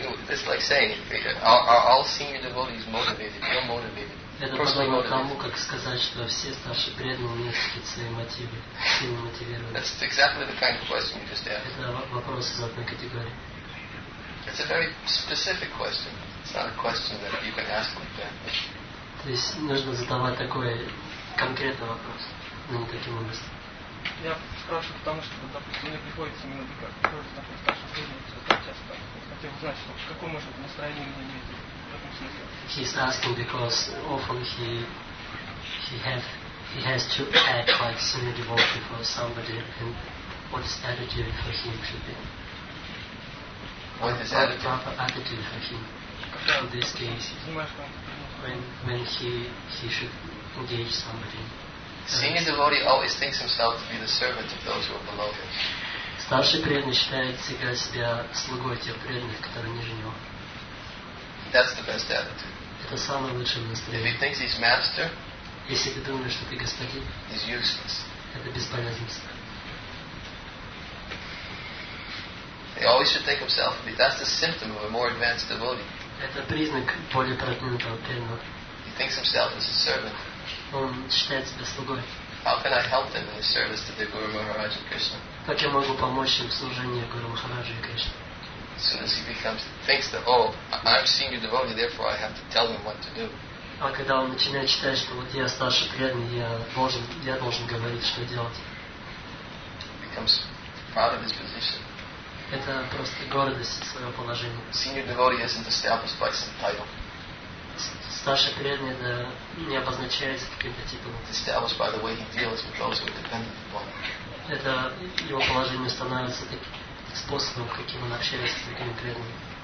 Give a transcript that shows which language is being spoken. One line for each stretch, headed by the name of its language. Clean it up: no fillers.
English: It's like saying, are all senior devotees motivated? You're motivated.
Russian: Это подобно тому, как сказать, что все старшие преданные имеют какие-то свои мотивы, сильно мотивированы.
English: That's exactly the kind of question you just asked.
Russian: Это вопрос из одной категории.
English: It's a very specific question. It's not a question that you can ask like that.
Russian: То есть нужно задавать такой конкретный вопрос, но не таким образом. Я спрашиваю, потому что, допустим, мне приходится именно как старший преданный, так часто хотел узнать, что, какое может настроение мне иметь.
English: He's asking because often he has to act like senior devotee for somebody, and what is attitude for him should be. Okay. with his attitude. Proper attitude for him in this case, when he should engage somebody. Senior devotee always thinks himself to be the servant of those who are below him.
Russian: Старший преданный считает себя слугой тех преданных, которые ниже него.
English: That's the best attitude.
Russian: Это самое лучшее настроение.
English: If he thinks he's master,
Russian: если ты думаешь, что ты господин,
English: he's useless.
Russian: Это бесполезность.
English: He always should think himself to be. That's the symptom of a more advanced devotee.
Russian: Это признак более продвинутого преданного.
English: He thinks himself as a servant.
Russian: Он считает себя слугой.
English: How can I help them in the service to the Guru Maharaj and Krishna?
Russian: Как я могу помочь им в служении Гуру Махараджи и Кришне?
English: As soon as he becomes thinks that, oh, I'm senior devotee, therefore I have to tell him what to do.
Russian: А когда он начинает считать, что вот я старший преданный, я должен говорить, что делать.
English: Becomes proud of his position.
Russian: Это просто гордость своего положения.
English: Senior devotee isn't established by some title.
Russian: Старший преданный не обозначается каким-то титулом.
English: Established by the way he deals with those who are dependent upon him.
Russian: Это его положение становится таким способом, каким он общается с такими преданными.